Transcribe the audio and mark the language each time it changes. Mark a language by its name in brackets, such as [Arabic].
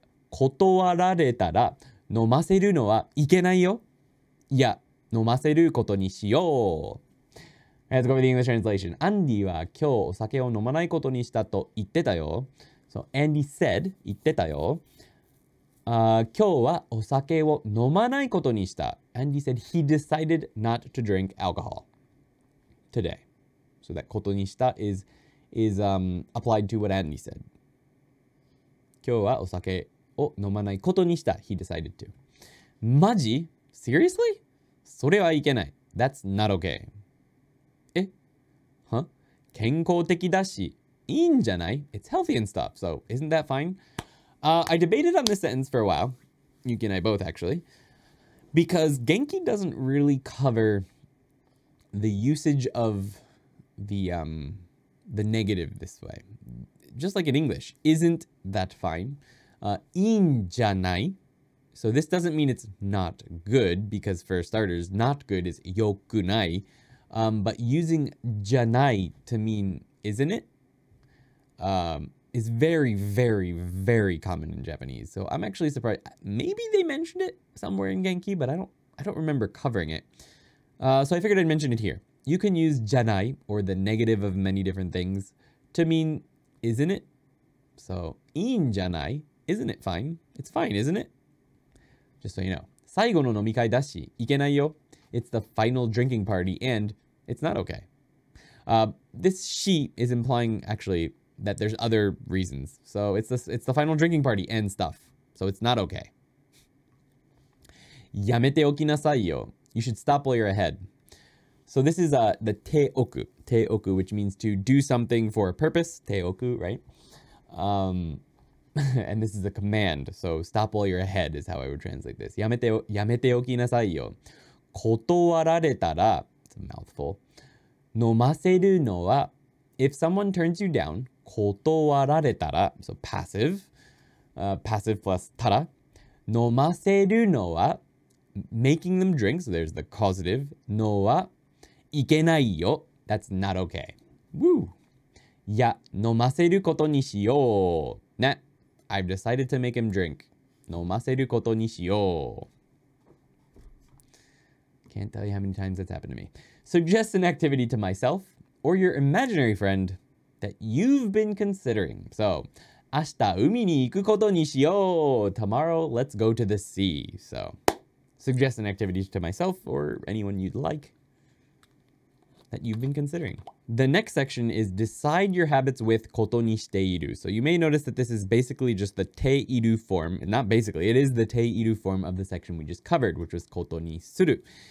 [Japanese] 断られたら、飲ませるのはいけないよ。いや、飲ませることにしよう。 [English] Let's go with the English translation. [Japanese] Andy は今日お酒を飲まないことにしたと言ってたよ。 [English] So Andy said, [Japanese] 言ってたよ。今日はお酒を飲まないことにした。 [English] Andy said he decided not to drink alcohol today. So that ことにした is applied to what Andy said. [Japanese] 今日はお酒を飲まないことにした。 [English] He decided to. [Japanese] マジ？ [English] Seriously? [Japanese] それはいけない。 [English] That's not okay. [Japanese] 健康的だし、いいんじゃない? [English] It's healthy and stuff, so isn't that fine? I debated on this sentence for a while. Yuki and I both, actually. Because Genki doesn't really cover the usage of the negative this way. Just like in English, isn't that fine? [Japanese] いいんじゃない? [English] So this doesn't mean it's not good, because for starters, not good is よくない。 But using じゃない to mean isn't it is very, very, very common in Japanese. So I'm actually surprised. Maybe they mentioned it somewhere in Genki, but I don't remember covering it. So I figured I'd mention it here. You can use じゃない or the negative of many different things to mean isn't it? So [Japanese] いいんじゃない? [English] Isn't it fine? It's fine, isn't it? Just so you know. [Japanese] 最後の飲み会だし、いけないよ。 [English] It's the final drinking party, and it's not okay. This she is implying, actually, that there's other reasons. So it's the final drinking party and stuff. So it's not okay. [Japanese] やめておきなさいよ。 [English] You should stop while you're ahead. So this is the teoku. Teoku, which means to do something for a purpose. Teoku, right? and this is a command. So stop while you're ahead is how I would translate this. [Japanese] やめておきなさいよ。断られたら、 [English] it's a mouthful. [Japanese] 飲ませるのは、 [English] if someone turns you down, [Japanese] 断られたら、 [English] so passive, passive plus たら、 [Japanese] 飲ませるのは [English] making them drink, so there's the causative, [Japanese] のはいけないよ [English] That's not okay. Woo! [Japanese] いや、飲ませることにしよう。 [English] ね。I've decided to make him drink. [Japanese] 飲ませることにしよう。 [English] Can't tell you how many times that's happened to me. Suggest an activity to myself or your imaginary friend that you've been considering. [Japanese] So, 明日海に行くことにしよう。 [English] Tomorrow, let's go to the sea. So, suggest an activity to myself or anyone you'd like that you've been considering. The next section is decide your habits with ことにしている. So, you may notice that this is basically just the ている form. Not basically, it is the ている form of the section we just covered, which was ことにする.